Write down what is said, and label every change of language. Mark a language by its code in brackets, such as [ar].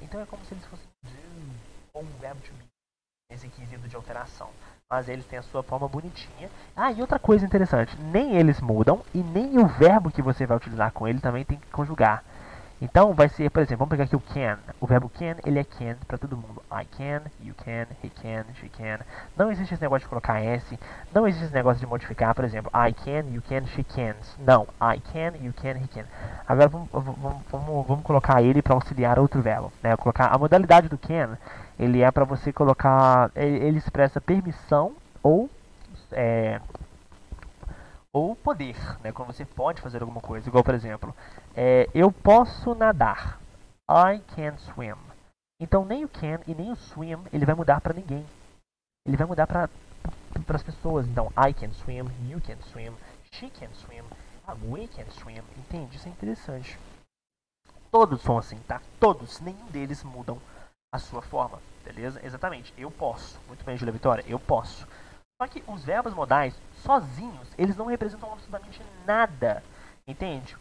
[pt] Então é como se eles fossem do ou um verbo to be, nesse quesito de alteração. Mas eles têm a sua forma bonitinha. Ah, e outra coisa interessante, nem eles mudam e nem o verbo que você vai utilizar com ele também tem que conjugar. Então vai ser, por exemplo, vamos pegar aqui o can. O verbo can, ele é can para todo mundo. [en] I can, you can, he can, she can. [pt] Não existe esse negócio de colocar S. Não existe esse negócio de modificar, por exemplo, [en] I can, you can, she can. [pt] Não, [en] I can, you can, he can. [pt] Agora vamos colocar ele para auxiliar outro verbo, né? Colocar a modalidade do can, ele é para você colocar, ele expressa permissão ou poder, né? Quando você pode fazer alguma coisa, igual, por exemplo, eu posso nadar. [en] I can swim. [pt] Então nem o can e nem o swim ele vai mudar para ninguém. Ele vai mudar para as pessoas. [en] Então I can swim, you can swim, she can swim, we can swim. [pt] Entende? Isso é interessante. Todos são assim, tá? Todos, nenhum deles mudam a sua forma, beleza? Exatamente. Eu posso. Muito bem, Julia Vitória. Eu posso. Só que os verbos modais sozinhos, eles não representam absolutamente nada. Entende?